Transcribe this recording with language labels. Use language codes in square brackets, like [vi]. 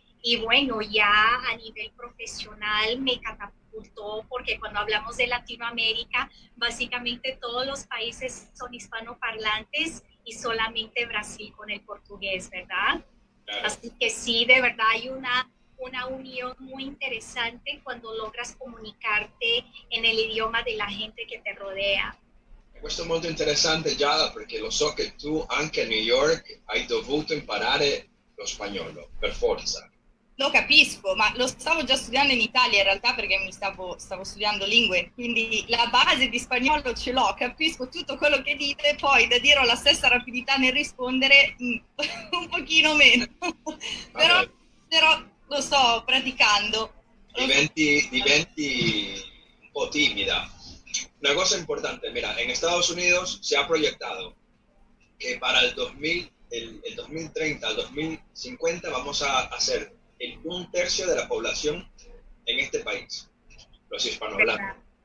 [es] Y bueno, ya a nivel profesional me catapultó, porque cuando hablamos de Latinoamérica, básicamente todos los países son hispanoparlantes y solamente Brasil con el portugués, ¿verdad? Así que sí, de verdad hay una unión muy interesante cuando logras comunicarte en el idioma de la gente que te rodea. [it] Questo è molto interessante, Giada, perché lo so che tu anche a New York hai dovuto imparare lo spagnolo, per forza. Lo capisco, ma lo stavo già studiando in Italia in realtà, perché mi stavo studiando lingue, quindi la base di spagnolo ce l'ho, capisco tutto quello che dite, poi da dire la stessa rapidità nel rispondere un pochino meno, però lo sto praticando. Diventi un po' timida. [es] Una cosa importante, mira, en Estados Unidos se ha proyectado que para el 2030, al 2050, vamos a hacer el un tercio de la población en este país, los hispanohablantes.